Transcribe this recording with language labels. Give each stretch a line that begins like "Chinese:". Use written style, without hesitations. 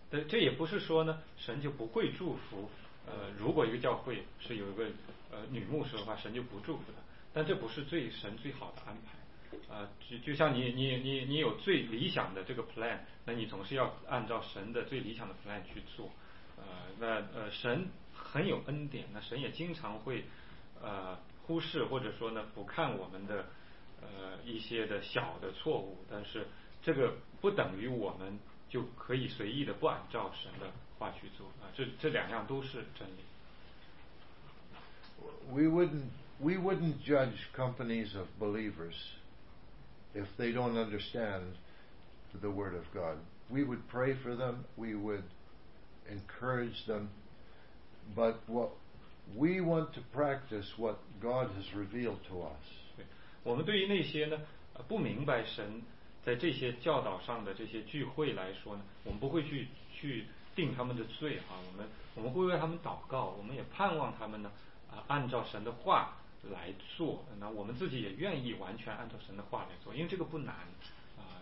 Chinese: 这也不是说呢, 神就不会祝福, 如果一个教会是有一个 女牧师的话, 神就不祝福她, 但这不是最, 神最好的安排, 就像你有最理想的这个plan, 那你总是要按照神的最理想的plan去做, 那神很有恩典, 那神也经常会, 忽视或者说呢, 不看我们的, 一些的小的错误，但是这个不等于我们就可以随意的不按照神的话去做啊，这两样都是真理。
English: We wouldn't judge companies of believers if they don't understand the word of God. We would pray for them, we would encourage them, but what we want to practice what God has revealed to us.
Chinese: 我们对于那些呢不明白神在这些教导上的这些聚会来说呢，我们不会去定他们的罪啊，我们会为他们祷告，我们也盼望他们呢按照神的话来做，那我们自己也愿意完全按照神的话来做，因为这个不难啊。